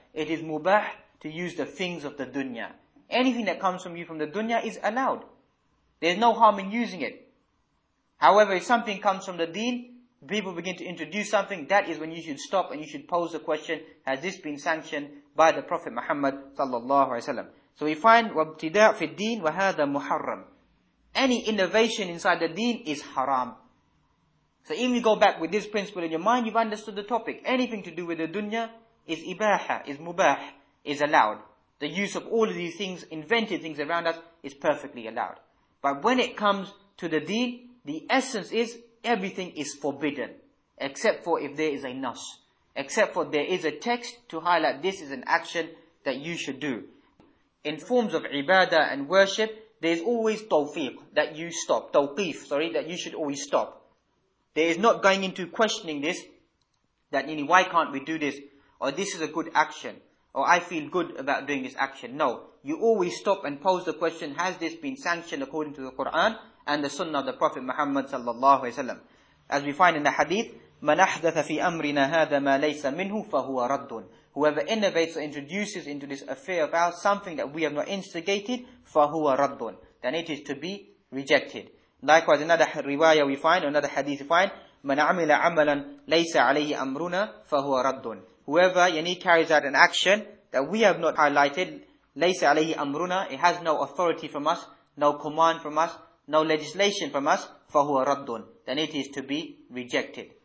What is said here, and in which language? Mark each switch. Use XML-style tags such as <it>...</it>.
<en>It is mubah to use the things of the dunya. Anything that comes from you from the dunya is allowed. There's no harm in using it. However, if something comes from the deen, people begin to introduce something, that is when you should stop and you should pose the question, has this been sanctioned by the Prophet Muhammad sallallahu alaihi wasallam? So we find</en> <ar>وَابْتِدَاءُ فِي الدِّينِ وَهَذَا مُحَرَّمٌ.</ar> <en>Any innovation inside the deen is haram. So even you go back with this principle in your mind, you've understood the topic. Anything to do with the dunya is ibaha, is mubah, is allowed. The use of all of these things, invented things around us, is perfectly allowed. But when it comes to the deen, the essence is everything is forbidden. Except for if there is a nas. Except for there is a text to highlight this is an action that you should do. In forms of ibadah and worship, there is always tawfiq, that you stop. Tawqif, sorry, that you should always stop. There is not going into questioning this, that meaning why can't we do this, or this is a good action, or I feel good about doing this action. No, you always stop and pose the question, has this been sanctioned according to the Quran and the Sunnah of the Prophet Muhammad sallallahu alaihi wasallam? As we find in the hadith,</en> <ar>مَنْ أَحْدَثَ فِي أَمْرِنَا هَذَا مَا لَيْسَ مِنْهُ فَهُوَ رَدٌّ.</ar> <en>Whoever innovates or introduces into this affair of ours something that we have not instigated,</en> <ar>فَهُوَ رَدٌّ,</ar> <en>then it is to be rejected. Likewise, another riwayah we find, another hadith we find,</en> <ar>مَنْ عَمِلَ عَمَلًا لَيْسَ عَلَيْهِ أَمْرُنَا فَهُوَ رَدٌّ.</ar> <en>Whoever carries out an action that we have not highlighted,</en> <ar>لَيْسَ عَلَيْهِ أَمْرُنَا,</ar> <en>it has no authority from us, no command from us, no legislation from us,</en> <ar>فَهُوَ رَدٌّ,</ar> <en>then it is to be rejected.</en>